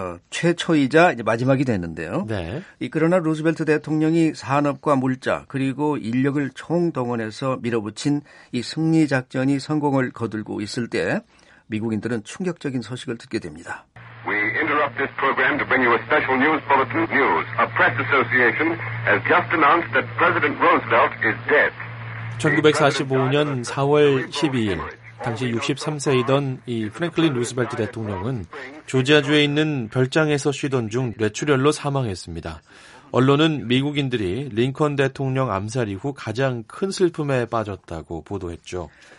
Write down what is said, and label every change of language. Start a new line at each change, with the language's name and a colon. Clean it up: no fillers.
Korean: 최초이자 이제 마지막이 됐는데요. 네. 그러나 루스벨트 대통령이 산업과 물자 그리고 인력을 총동원해서 밀어붙인 이 승리 작전이 성공을 거두고 있을 때 미국인들은 충격적인 소식을 듣게 됩니다.
English: We interrupt this program to bring you a special news bulletin. News. A press association has just announced that President Roosevelt is dead.
Korean: 1945년 4월 12일, 당시 63세이던 이 프랭클린 루스벨트 대통령은 조지아주에 있는 별장에서 쉬던 중 뇌출혈로 사망했습니다. 언론은 미국인들이 링컨 대통령 암살 이후 가장 큰 슬픔에 빠졌다고 보도했죠.